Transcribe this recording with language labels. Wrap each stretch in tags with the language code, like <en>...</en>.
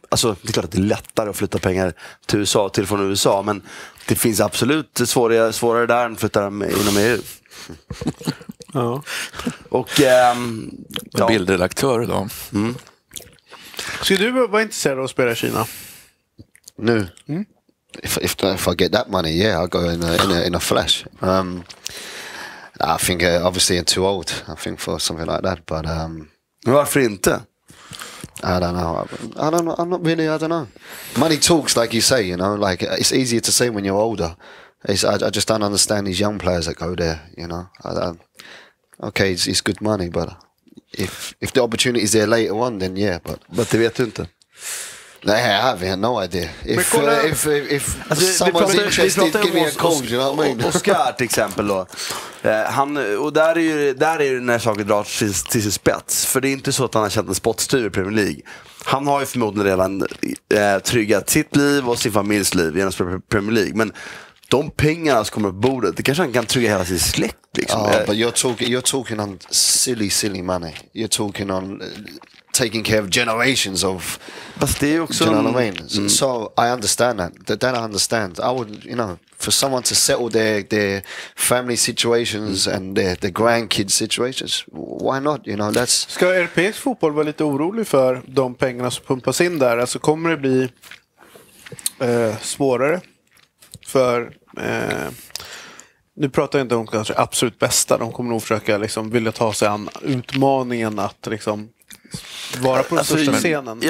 <sv>Alltså det är klart att det är lättare att flytta pengar till USA till från USA, men det finns absolut svårare där än att flytta dem inom EU. Ja. Och bildredaktör då. Ska du vara intresserad av att spela i Kina? Nu.</sv> <en>If I get that money, yeah, I'll go in a flash. I think obviously I'm too old, I think, for something like that, but</en> <sv>varför inte?</sv> <en>I don't know. I don't know. Money talks, like you say, you know, like it's easier to say when you're older. I just don't understand these young players that go there, you know. Okay, it's good money, but if the opportunity is there later on, then yeah. But</en> <sv>det vet du inte.</sv> <en>Nej, I have no idea. If alltså, someone's interested, give me a call. You know what I mean?</en> <sv>Oscar till exempel då. Han, och där är ju, där är ju när saker drar till sin spets. För det är inte så att han har känt en spottstyr i Premier League. Han har ju förmodligen redan tryggat sitt liv och sin familjs liv genom Premier League. Men de pengarna som kommer på bordet, det kanske han kan trygga hela sin släkt liksom.</sv> <en>Oh, but you're talking on silly money. You're talking on taking care of generations of, but they also, you know what I mean? So I understand that I understand. I would, you know, for someone to settle their family situations and their grandkids situations, why not, you know? That's,</en> <sv>ska europeisk fotboll vara lite orolig för de pengarna som pumpas in där? Alltså, kommer det bli svårare för nu pratar jag inte om kanske absolut bästa, de kommer nog försöka liksom vilja ta sig an utmaningen att liksom vara på den alltså, största scenen.</sv>